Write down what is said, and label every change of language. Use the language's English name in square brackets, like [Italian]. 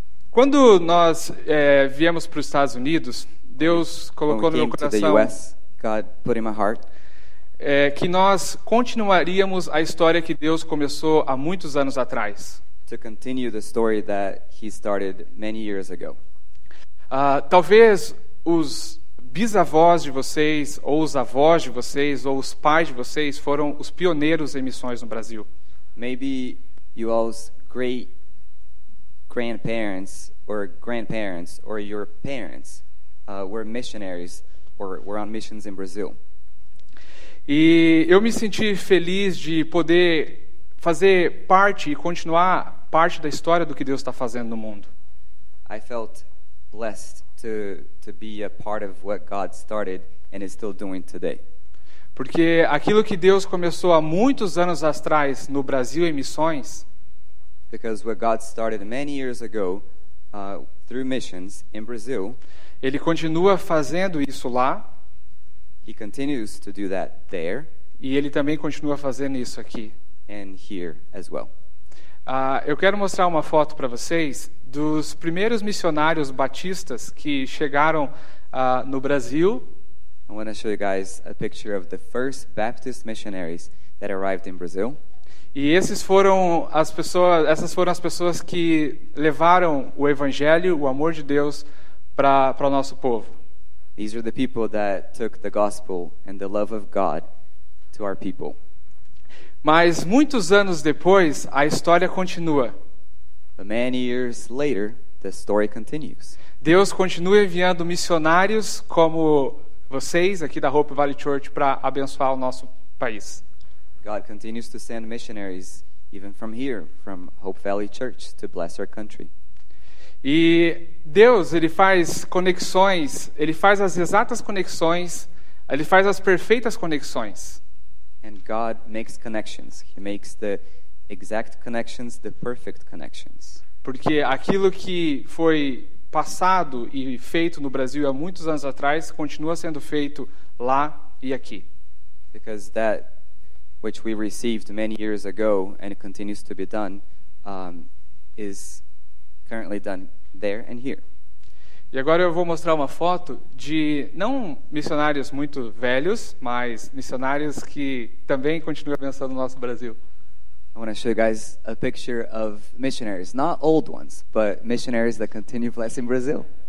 [Portuguese] quando nós viemos para os Estados Unidos, Deus colocou no meu coração, [English] to the US, God put in my heart, [Portuguese] que nós continuaríamos a história que Deus começou há muitos anos atrás. [English] To continue the story that he started many years ago. [Portuguese] Talvez os bisavós de vocês, ou os avós de vocês, ou os pais de vocês foram os pioneiros em missões no Brasil. [English] Maybe you all's great grandparents or your parents were missionaries or were on missions in Brazil. [Portuguese] E eu me senti feliz de poder fazer parte e continuar parte da história do que Deus está fazendo no mundo. [English] I felt blessed to be a part of what God started and is still doing today. [Portuguese] Porque aquilo que Deus começou há muitos anos atrás no Brasil em missões, [English] because what God started many years ago through missions in Brazil, [Portuguese] ele continua fazendo isso lá. [English] He continues to do that there. [Portuguese] E ele também continua fazendo isso aqui. [English] And here as well. [Portuguese] Eu quero mostrar uma foto para vocês dos primeiros missionários batistas que chegaram no Brasil. [English] I want to show you guys a picture of the first Baptist missionaries that arrived in Brazil. [Portuguese] E essas foram as pessoas que levaram o evangelho, o amor de Deus para o nosso povo. [English] These are the people that took the gospel and the love of God to our people. [Portuguese] Mas muitos anos depois, a história continua. [English] But many years later, The story continues. [Portuguese] Deus continua enviando missionários como vocês aqui da Hope Valley Church para abençoar o nosso país. [English] God continues to send missionaries even from here, from Hope Valley Church, to bless our country. [Portuguese] E Deus, ele faz conexões, ele faz as exatas conexões, ele faz as perfeitas conexões. [English] And God makes connections. He makes the exact connections, the perfect connections. [Portuguese] Porque aquilo que foi passado e feito no Brasil há muitos anos atrás continua sendo feito lá e aqui. [English] Because that which we received many years ago and it continues to be done is currently done there and here. [Portuguese] E agora eu vou mostrar uma foto de não missionários muito velhos, mas missionários que também continuam abençoando o nosso Brasil. [English] I want to show you guys a picture of missionaries, not old ones, but missionaries that continue blessing Brazil.